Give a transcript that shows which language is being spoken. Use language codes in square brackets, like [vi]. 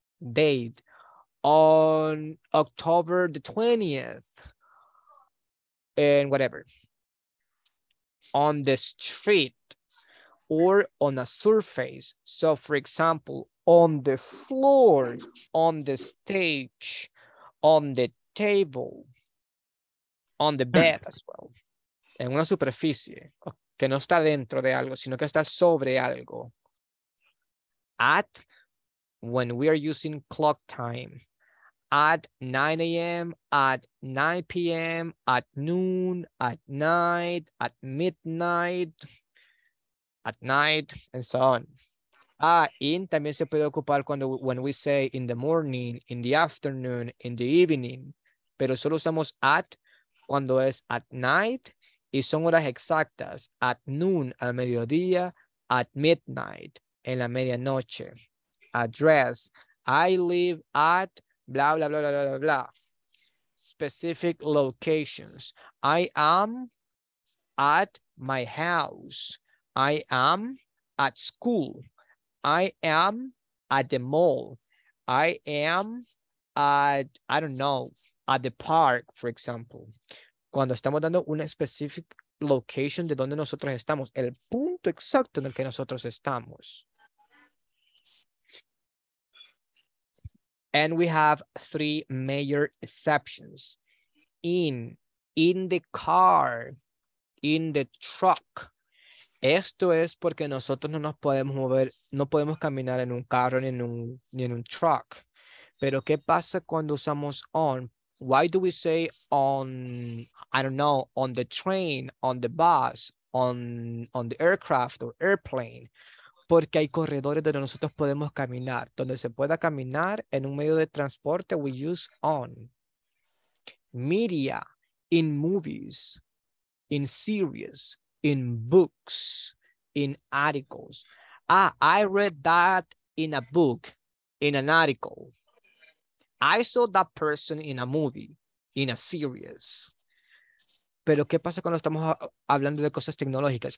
[en] Date, on October the 20th, and whatever. On the street, or on a surface. So for example, on the floor, on the stage, on the table, on the bed as well. [es] En una superficie, que no está dentro de algo, sino que está sobre algo. [en] At, when we are using clock time. At 9 a.m., at 9 p.m., at noon, at night, at midnight, at night, and so on. In también se puede ocupar cuando when we say in the morning, in the afternoon, in the evening. [es] Pero solo usamos at cuando es [en] at night, [es] y son horas exactas, [en] at noon, [es] al mediodía, [en] at midnight, [es] en la medianoche. [en] Address, I live at blah, blah, blah, blah, blah, blah. Specific locations, I am at my house. I am at school. I am at the mall. I am at, I don't know, at the park, for example. [es] Cuando estamos dando una [en] specific location [es] de donde nosotros estamos, el punto exacto en el que nosotros estamos. [en] And we have three major exceptions. In the car, in the truck. [es] Esto es porque nosotros no nos podemos mover, no podemos caminar en un carro ni en un truck. Pero ¿qué pasa cuando usamos on? [en] Why do we say on, I don't know, on the train, on the bus, on the aircraft or airplane? [es] Porque hay corredores donde nosotros podemos caminar. Donde se pueda caminar en un medio de transporte, [en] we use on. Media, in movies, in series, in books, in articles. I read that in a book, in an article. I saw that person in a movie, in a series. [es] Pero ¿qué pasa cuando estamos hablando de cosas tecnológicas?